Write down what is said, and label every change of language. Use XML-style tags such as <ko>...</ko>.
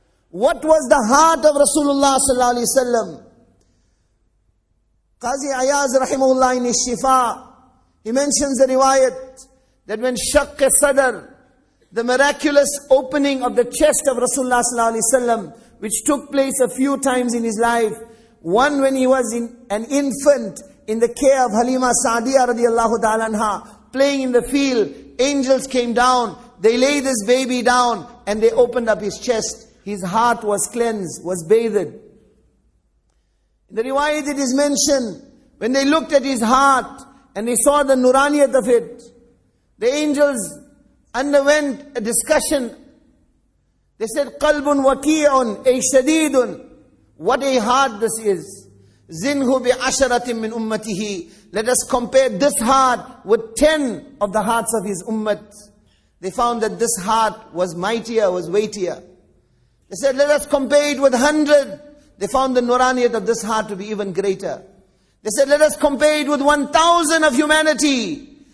<en>What was the heart of Rasulullah sallallahu alaihi wasallam? Qazi Ayaz rahimahullah in his Shifa, he mentions the riwayat that when Shaqq Sadr, the miraculous opening of the chest of Rasulullah sallallahu alaihi wasallam, which took place a few times in his life, one when he was in an infant, in the care of Halima Sa'diya radiallahu ta'ala anha, playing in the field, angels came down, they laid this baby down, and they opened up his chest. His heart was cleansed, was bathed. In the riwayat it is mentioned, when they looked at his heart, and they saw the nuraniyat of it, the angels underwent a discussion. They said,</en> <ar>قَلْبٌ وَكِيعٌ أَيْ شَدِيدٌ.</ar> <en>What a heart this is.</en> <ar>Zinhu bi asharatim min ummatihi.</ar> <en>Let us compare this heart with 10 of the hearts of his ummat. They found that this heart was mightier, was weightier. They said, let us compare it with 100. They found the nuraniyat of this heart to be even greater. They said, let us compare it with 1,000 of humanity.</en>